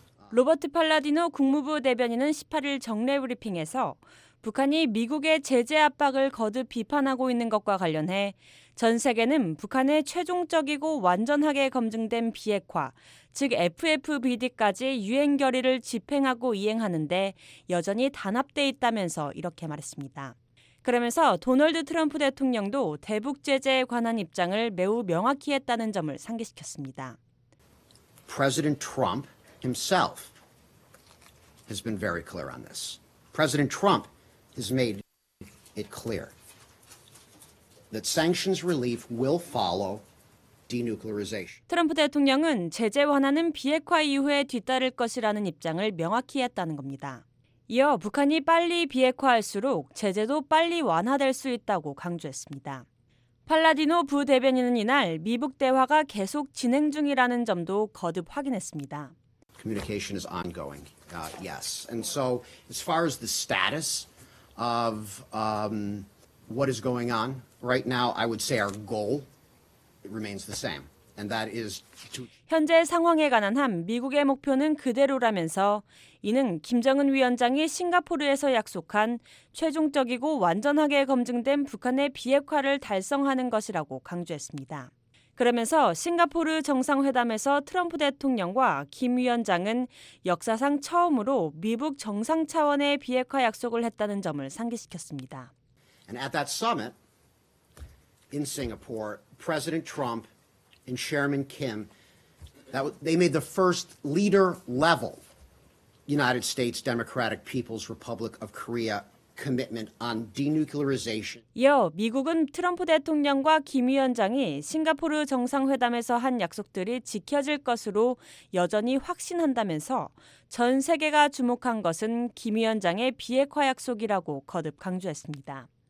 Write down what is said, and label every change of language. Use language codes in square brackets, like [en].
[ko] 로버트 팔라디노 국무부 대변인은 18일 정례 브리핑에서 북한이 미국의 제재 압박을 거듭 비판하고 있는 것과 관련해 전 세계는 북한의 최종적이고 완전하게 검증된 비핵화, 즉 FFBD까지 유엔 결의를 집행하고 이행하는데 여전히 단합돼 있다면서 이렇게 말했습니다. 그러면서 도널드 트럼프 대통령도 대북 제재에 관한 입장을 매우 명확히 했다는 점을 상기시켰습니다. [en] President Trump himself has been very clear on this. President Trump has made it clear that sanctions relief will follow denuclearization. [ko] 트럼프 대통령은 제재 완화는 비핵화 이후에 뒤따를 것이라는 입장을 명확히 했다는 겁니다. 이어 북한이 빨리 비핵화할수록 제재도 빨리 완화될 수 있다고 강조했습니다. 팔라디노 부대변인은 이날 미북 대화가 계속 진행 중이라는 점도 거듭 확인했습니다. [en] Communication is ongoing. Yes. And so as far as the status of what is going on right now, I would say our goal remains the same. And that is to [ko] 현재 상황에 관한 한 미국의 목표는 그대로라면서 이는 김정은 위원장이 싱가포르에서 약속한 최종적이고 완전하게 검증된 북한의 비핵화를 달성하는 것이라고 강조했습니다. 그러면서 싱가포르 정상회담에서 트럼프 대통령과 김 위원장은 역사상 처음으로 미북 정상 차원의 비핵화 약속을 했다는 점을 상기시켰습니다. [en] And at that summit in Singapore, President Trump and Chairman Kim, they made the first leader level United States Democratic People's Republic of Korea commitment on denuclearization. [ko] 이어 미국은 트럼프 대통령과 김 위원장이 싱가포르 정상회담에서 한 약속들이 지켜질 것으로 여전히 확신한다면서 전 세계가 주목한 것은 김 위원장의 비핵화 약속이라고 거듭 강조했습니다.